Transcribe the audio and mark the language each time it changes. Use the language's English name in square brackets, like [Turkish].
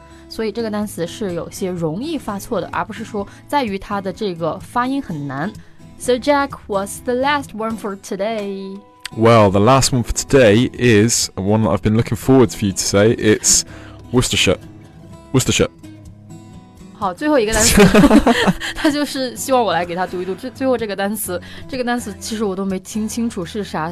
[Chinese] 所以这个单词是有些容易发错的，而不是说在于它的这个发音很难。 [English] So Jack, what's the last one for today? Well, the last one for today is one that I've been looking forward for you to say. It's Worcestershire. Worcestershire. [Chinese] 好，最后一个单词，他就是希望我来给他读一读。最后这个单词，这个单词其实我都没听清楚是啥。